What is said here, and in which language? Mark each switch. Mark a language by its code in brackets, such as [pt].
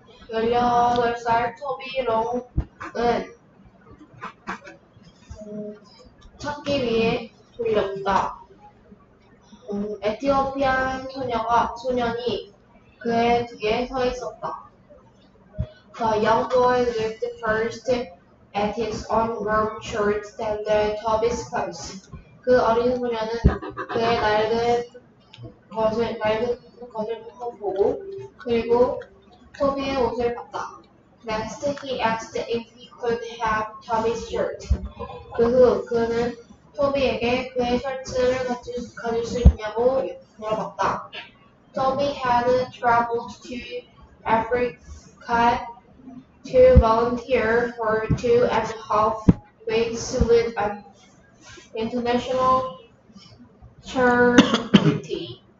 [ko] 18살 토비롱은 찾기 위해 돌렸다. 에티오피안 소년이 그의 뒤에 서 있었다. [en] The young boy looked first at his own long shirt then at Toby's clothes. [ko] 그 어린 소년은 그의 낡은 것을 보고 그리고 토비의 옷을 봤다. [en] Next, he asked if he could have Toby's shirt. [ko] 그 후 그는 토비에게 그의 셔츠를 가질 수 있냐고 물어봤다. [en] Toby had traveled to Africa to volunteer for 2.5 weeks with an international charity.